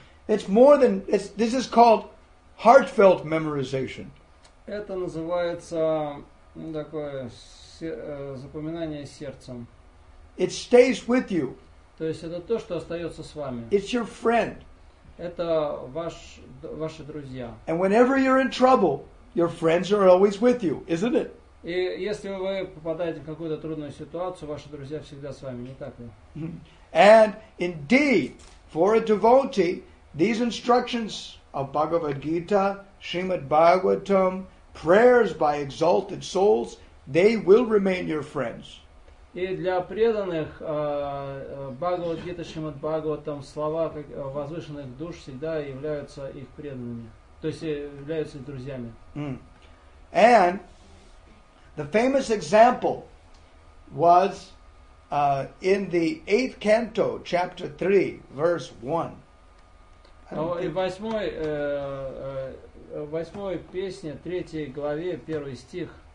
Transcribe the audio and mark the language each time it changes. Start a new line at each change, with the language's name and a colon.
English: It's more than, it's, this is called heartfelt memorization.
Russian: Это называется такое запоминание сердцем.
English: It stays with you.
Russian: То есть это то, что остается с вами.
English: It's your friend.
Russian: Это ваши друзья.
English: And whenever you're in trouble, your friends are always with you, isn't it?
Russian: И если вы попадаете в какую-то трудную ситуацию, ваши друзья всегда с вами, не так ли?
English: And indeed, for a devotee, these instructions of Bhagavad Gita, Srimad Bhagavatam, prayers by exalted souls, they will remain your friends.
Russian: И для преданных Бхагавад-гита, Шримад Бхагаватам, слова возвышенных душ всегда являются их преданными, то есть являются их друзьями. Mm.
English: And the famous example was in the 8th canto, chapter 3, verse 1.
Russian: И восьмой песне, третьей главе, первый стих.